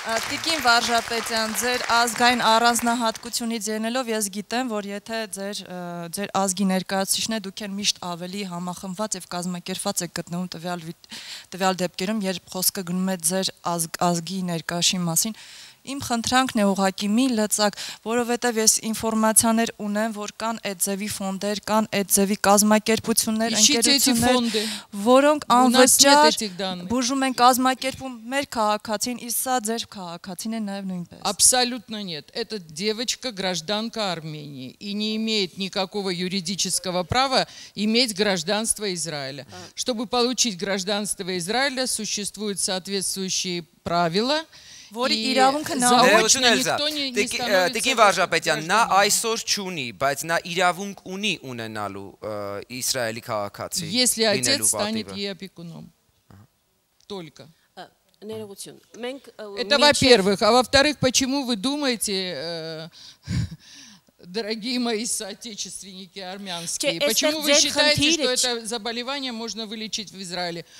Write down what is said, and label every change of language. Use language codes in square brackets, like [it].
[hy] Տիկին Վարժապետյան, ձեր ազգային առանձնահատկությունից ելնելով ես գիտեմ, որ եթե ձեր ազգի ներկայացուցիչն է, դուք են միշտ ավելի համախմբված եւ կազմակերպված եք գտնվում տվյալ դեպքերում, երբ խոսքը գնում է ձեր ազգի ներկայացի մասին։ Իմ խնդրանքն է ուղղակի մի լծակ, որովհետև ես ինֆորմացիաներ ունեմ, որ կան այդ ձևի ֆոնդեր, կան այդ ձևի կազմակերպություններ, ընկերություններ, որոնք անվճար բուժում են կազմակերպում մեր քաղաքացին, իսկ սա ձեր քաղաքացին է նաև նույնպես։ [ru] Абсолютно нет. Эта девочка гражданка Армении и не имеет никакого юридического права иметь гражданство Израиля. Чтобы получить гражданство Израиля, существуют соответствующие правила. [hy] Որի իրավունքը նա ոչ ինքն է, ինքն է ստանալու։ Տիկին Վարժապետյան, նա այսօր չունի, բայց նա իրավունք ունի ունենալու Իսրայելի քաղաքացի լինելու պատիվը։ [ru] Только. Это во-первых. А во-вторых, почему вы думаете, дорогие мои соотечественники армянские, почему вы считаете, что это заболевание можно вылечить в Израиле?